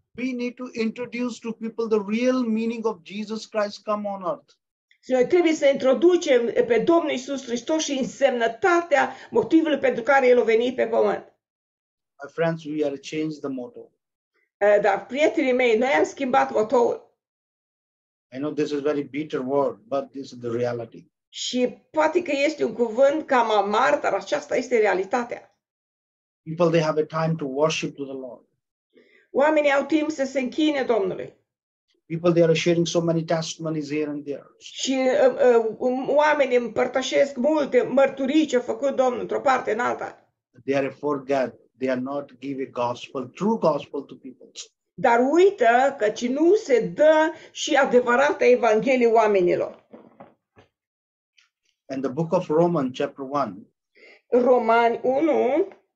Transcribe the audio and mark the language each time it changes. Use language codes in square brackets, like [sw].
[en] We need to introduce to people the real meaning of Jesus Christ come on earth. [ro] Noi trebuie să introducem pe Domnul Iisus Hristos și însemnătatea, motivul pentru care El a venit pe pământ. [en] My friends, we are changed the motto. [ro] Dar, prietenii mei, noi am schimbat motoul. [en] I know this is a very bitter word, but this is the reality. [ro] Și poate că este un cuvânt cam amar, dar aceasta este realitatea. [en] People, they have a time to worship to the Lord. [ro] Oamenii au timp să se închine Domnului. [en] People, they are sharing so many testimonies here and there. [ro] Și oamenii împărtășesc multe mărturii ce a făcut Domnul într-o parte în alta. [en] They are forget. They are not give a gospel, true gospel to people. [ro] Dar uită că ci nu se dă și adevărata evanghelie oamenilor. [en] And the book of Romans, chapter 1. [ro] Romani 1.